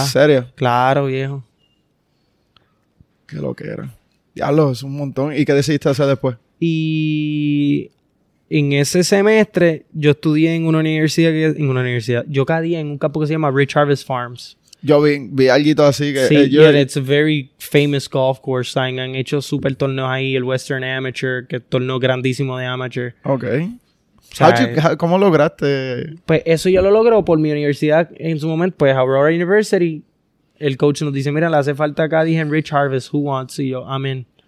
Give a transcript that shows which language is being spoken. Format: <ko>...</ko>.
<es>¿En serio? Claro, viejo. Qué lo que era. Diablo, es un montón. ¿Y qué decidiste hacer después? Y en ese semestre, yo estudié en una universidad. Yo caí en un campo que se llama Rich Harvest Farms. Yo vi algo así que...</es> <en>Sí, it's a very famous golf course.</en> <es>¿Sabes? Han hecho super torneos ahí, el Western Amateur, que es torneo grandísimo de amateur. Ok. O sea, ¿cómo lograste...? Pues eso yo lo logro por mi universidad en su momento. Pues Aurora University, el coach nos dice, mira, le hace falta acá, dije, en Rich Harvest,</es> <en>who wants?</en> <es>Y yo, amén.</es>